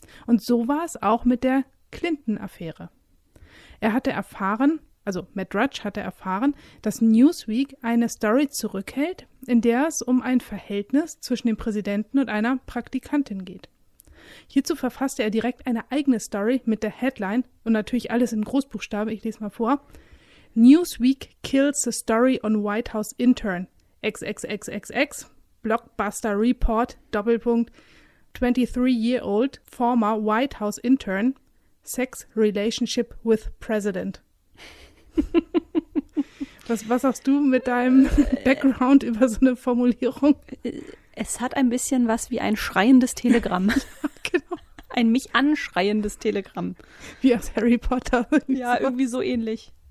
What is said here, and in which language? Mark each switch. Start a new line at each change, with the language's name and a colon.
German: Und so war es auch mit der Clinton-Affäre. Matt Drudge hatte erfahren, dass Newsweek eine Story zurückhält, in der es um ein Verhältnis zwischen dem Präsidenten und einer Praktikantin geht. Hierzu verfasste er direkt eine eigene Story mit der Headline und natürlich alles in Großbuchstaben, ich lese mal vor.
English: Newsweek kills the story on White House intern. XXXXX, Blockbuster Report,
German: Doppelpunkt.
English: 23-year-old former White House intern, sex relationship with president.
German: Was hast du mit deinem Background über so eine Formulierung? Es hat ein bisschen was wie ein schreiendes Telegramm. Genau. Ein mich anschreiendes Telegramm. Wie aus Harry Potter. Ja, irgendwie so ähnlich.